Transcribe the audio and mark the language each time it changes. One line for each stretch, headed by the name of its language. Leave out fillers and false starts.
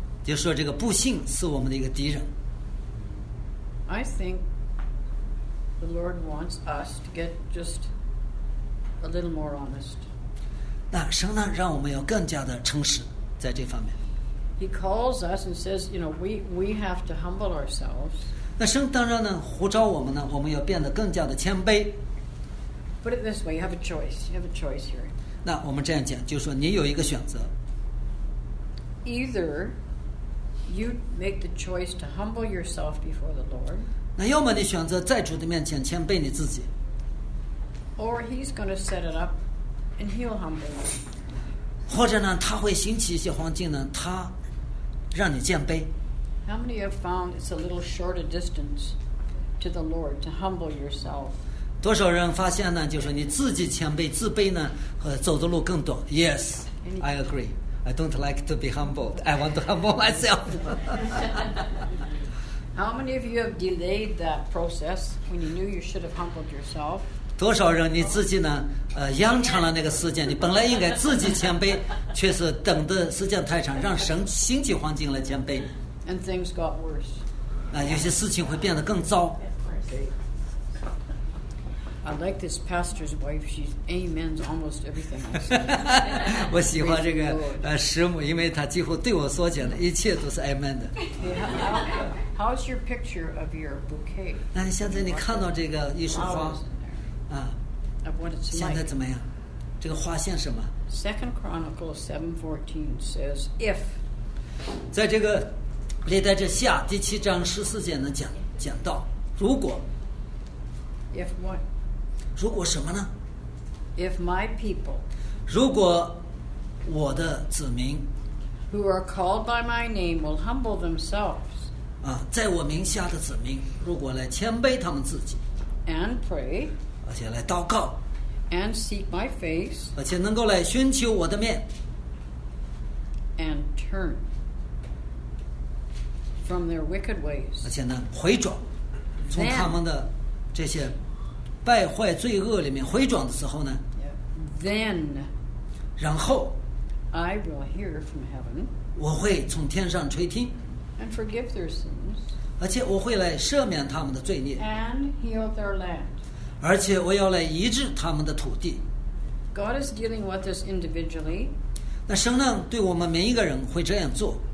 Chinese: 就说这个不幸是我们的一个敌人。
English: I think the Lord wants us to get just a little more honest.
Chinese: 那神呢，让我们要更加的诚实在这方面。
English: He calls us and says, you know, we have to humble ourselves.
Chinese: 那神当然呢呼召我们呢，我们要变得更加的谦卑。
English: Put it this way, you have a choice. You have a choice here.
Chinese: 那我们这样讲，就是说你有一个选择。
English: Either you make the choice to humble yourself before the Lord.
Chinese: 那要么你选择在主的面前谦卑你自己。
English: Or he's going to set it up, and he'll humble you.
Chinese: 或者呢，他会兴起一些环境呢，他让你谦卑。
English: How many have found it's a little short a distance to the Lord to humble yourself?
Chinese: 多少人发现呢？就是你自己谦卑、自卑呢，走的路更短。
English: Yes, I agree. I don't like to be humbled. I want to humble myself. How many of you have delayed that process when you knew you should have humbled yourself?
Chinese: 多少人你自己呢？延长了那个时间。你本来应该自己谦卑，却是等的时间太长，让神兴起环境来谦卑。
English: And things got worse.
Chinese: 那有些事情会变得更糟。
English: I like this pastor's wife. She amens almost everything I say.
Chinese: 我喜欢这个师母，因为她几乎对我所讲的一切都是 amen 的。
English: How's your picture of your bouquet?
Chinese: 那现在你看到这个艺术花啊？
English: Of what it's like.
Chinese: 现在怎么样？这个花像什么？
English: Second Chronicles 7:14 says, "If."
Chinese: 在这个列在这下第七章十四节能讲到，如果
English: ，if what，
Chinese: 如果什么呢
English: ？if my people，
Chinese: 如果我的子民
English: ，who are called by my name will humble themselves，
Chinese: 啊，在我名下的子民，如果来谦卑他们自己
English: ，and pray，
Chinese: 而且来祷告
English: ，and seek my face，
Chinese: 而且能够来寻求我的面
English: ，and turn。 From their wicked ways.
Chinese: 而且呢，回转，从他们的这些败坏罪恶里面回转的时候呢
English: ，Then，
Chinese: 然后
English: ，I will hear from heaven.
Chinese: 我会从天上垂听
English: ，And forgive their sins.
Chinese: 而且我会来赦免他们的罪孽
English: ，And heal their land.
Chinese: 而且我要来医治他们的土地。
English: God is dealing with us individually.
Chinese: 那神呢，对我们每一个人会这样做。